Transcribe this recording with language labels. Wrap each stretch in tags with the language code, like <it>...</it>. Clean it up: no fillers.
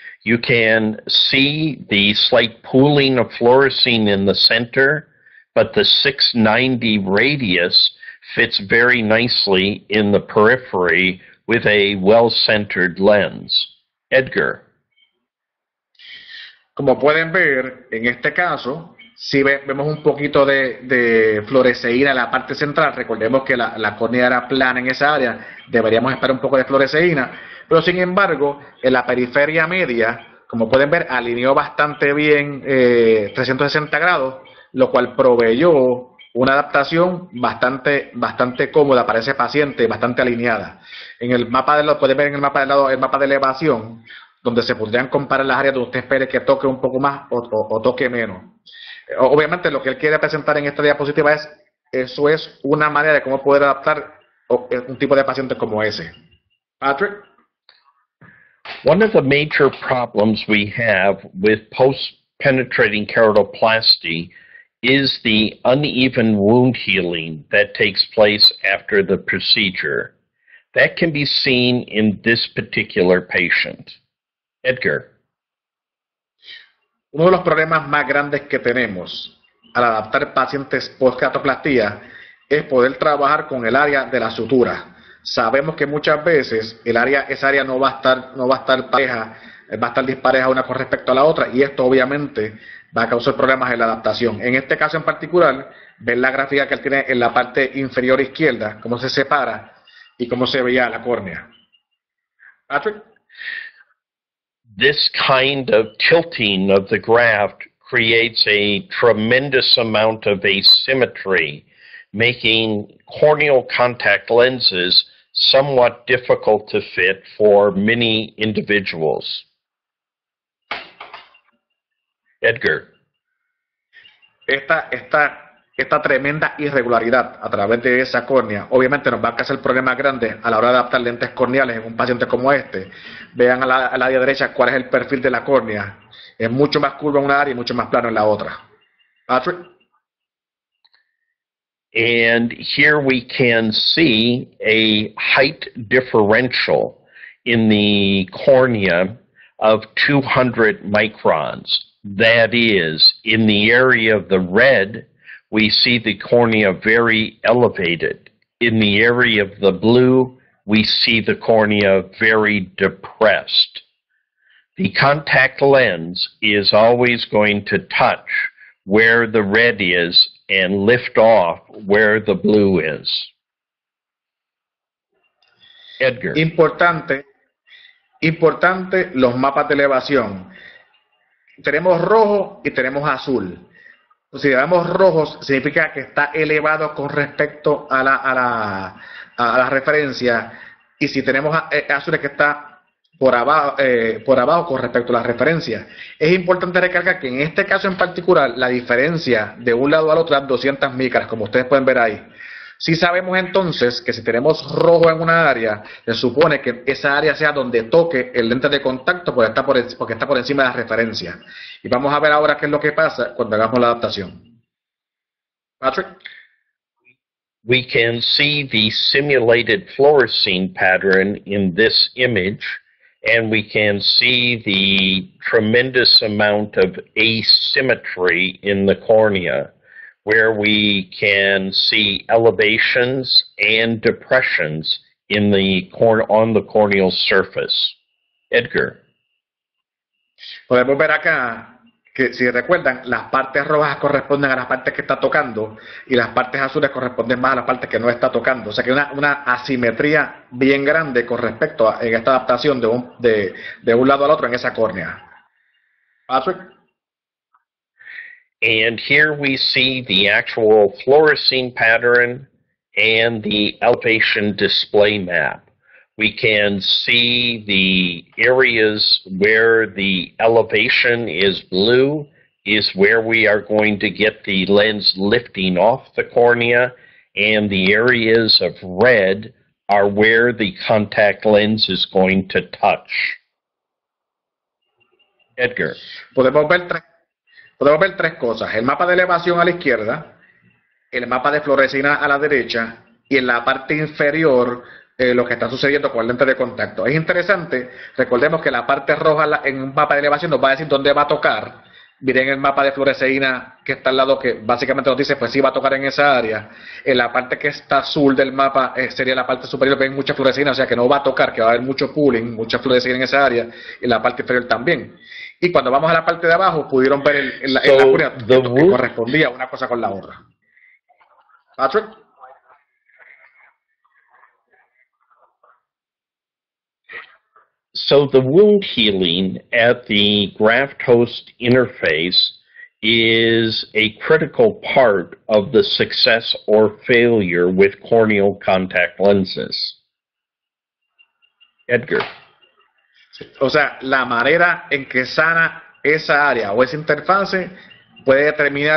<en>You can see the slight pooling of fluorescein in the center, but the 690 radius fits very nicely in the periphery with a well-centered lens. Edgar.</en> <es>Como pueden ver, en este caso, si vemos un poquito de fluoresceína en la parte central, recordemos que la córnea era plana en esa área, deberíamos esperar un poco de fluoresceína, pero sin embargo, en la periferia media, como pueden ver, alineó bastante bien 360 grados, lo cual proveyó una adaptación bastante, bastante cómoda para ese paciente, bastante alineada. En el mapa de lo pueden ver en el mapa de lado, el mapa de elevación, donde se podrían comparar las áreas donde usted espere que toque un poco más o toque menos. Obviamente lo que él quiere presentar en esta diapositiva es, eso es una manera de cómo poder adaptar un tipo de paciente como ese. Patrick.</es> <en>One of the major problems we have with post-penetrating keratoplasty is the uneven wound healing that takes place after the procedure. That can be seen in this particular patient. Edgar.</en> <es>Uno de los problemas más grandes que tenemos al adaptar pacientes post-keratoplastia es poder trabajar con el área de la sutura. Sabemos que muchas veces esa área no va a estar pareja, va a estar dispareja una con respecto a la otra, y esto obviamente va a causar problemas en la adaptación. En este caso en particular, ven la gráfica que él tiene en la parte inferior izquierda, cómo se separa y cómo se veía la córnea. Patrick.</es> <en>This kind of tilting of the graft creates a tremendous amount of asymmetry, making corneal contact lenses somewhat difficult to fit for many individuals. Edgar.</en> <es>Esta tremenda irregularidad a través de esa córnea, obviamente nos va a causar problemas grandes a la hora de adaptar lentes corneales en un paciente como este. Vean a la derecha cuál es el perfil de la córnea. Es mucho más curva en una área y mucho más plano en la otra. Patrick.</es> <en>And here we can see a height differential in the cornea of 200 microns. That is, in the area of the red, we see the cornea very elevated. In the area of the blue, we see the cornea very depressed. The contact lens is always going to touch where the red is and lift off where the blue is. Edgar.</en> <es>Importante los mapas de elevación. Tenemos rojo y tenemos azul. Si vemos rojos, significa que está elevado con respecto a la referencia. Y si tenemos azul, es que está por abajo con respecto a la referencia. Es importante recalcar que en este caso en particular, la diferencia de un lado al otro es 200 micras, como ustedes pueden ver ahí. Si sabemos entonces que si tenemos rojo en una área, se supone que esa área sea donde toque el lente de contacto porque está por encima de la referencia. Y vamos a ver ahora qué es lo que pasa cuando hagamos la adaptación. Patrick.</es> <en>We can see the simulated fluorescein pattern in this image, and we can see the tremendous amount of asymmetry in the cornea, where we can see elevations and depressions in the cor on the corneal surface. Edgar.</en> <es>Podemos ver acá que, si recuerdan, las partes rojas corresponden a las partes que está tocando y las partes azules corresponden más a las partes que no está tocando. O sea que hay una asimetría bien grande con respecto a en esta adaptación de un lado al otro en esa córnea. Patrick.</es> <en>And here we see the actual fluorescein pattern and the elevation display map. We can see the areas where the elevation is blue, is where we are going to get the lens lifting off the cornea, and the areas of red are where the contact lens is going to touch. Edgar.</en> <es>Podemos ver tres cosas: el mapa de elevación a la izquierda, el mapa de fluorescina a la derecha y en la parte inferior lo que está sucediendo con el lente de contacto. Es interesante, recordemos que la parte roja en un mapa de elevación nos va a decir dónde va a tocar. Miren el mapa de fluorescina que está al lado, que básicamente nos dice, pues sí va a tocar en esa área. En la parte que está azul del mapa, sería la parte superior, ven mucha fluorescina, o sea que no va a tocar, que va a haber mucho pooling, mucha fluorescina en esa área, y la parte inferior también. Y cuando vamos a la parte de abajo, pudieron ver en la</es> <en>So cornea the</en> <es>que wood. correspondía una cosa con la otra. Patrick.</es> <en>So the wound healing at the graft host interface is a critical part of the success or failure with corneal contact lenses. Edgar.</en> <es>O sea, la manera en que sana esa área o esa interfase puede determinar</es>